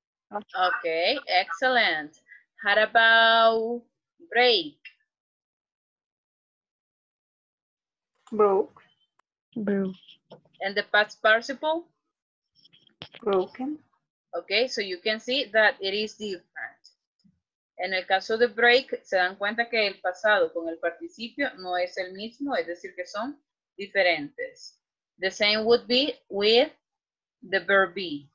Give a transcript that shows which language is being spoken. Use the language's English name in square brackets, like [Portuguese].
[English] Okay, excellent. How about break? Broke. And the past participle? Broken. Okay, so you can see that it is different. [Spanish] En el caso de break, se dan cuenta que el pasado con el participio no es el mismo, es decir, que son diferentes. [English] The same would be with the verb be.